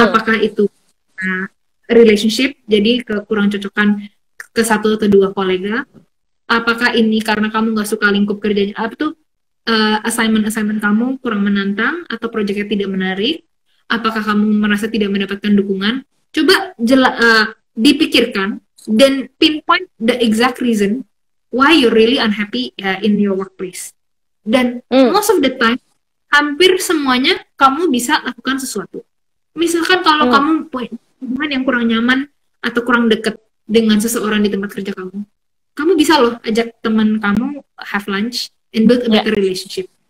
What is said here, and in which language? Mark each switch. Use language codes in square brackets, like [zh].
[id] Apakah itu relationship, jadi kekurang cocokan ke satu atau dua kolega? Apakah ini karena kamu gak suka lingkup kerjanya? Apa tuh assignment-assignment kamu kurang menantang atau proyeknya tidak menarik? Apakah kamu merasa tidak mendapatkan dukungan? Coba dipikirkan dan [en] pinpoint the exact reason why you're really unhappy in your workplace. [id] Dan [en] most of the time, [id] hampir semuanya kamu bisa lakukan sesuatu. Misalkan kalau kamu punya yang kurang nyaman atau kurang deket dengan seseorang di tempat kerja kamu, kamu bisa loh ajak teman kamu [en] have lunch and build a better relationship.